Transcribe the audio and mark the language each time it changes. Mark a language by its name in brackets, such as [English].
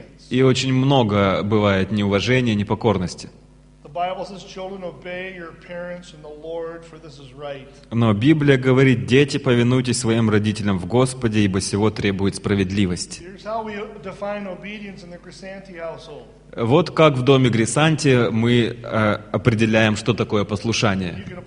[Russian] И очень много бывает неуважения, непокорности. [English] The Bible says, "Children, obey your parents in the Lord, for this is right." [Russian] Но Библия говорит: дети, повинуйтесь своим родителям в Господе, ибо сего требует справедливость. [English] Here's how we define obedience in the Grisanti household. [Russian] Вот как в доме Грисанти мы определяем, что такое послушание.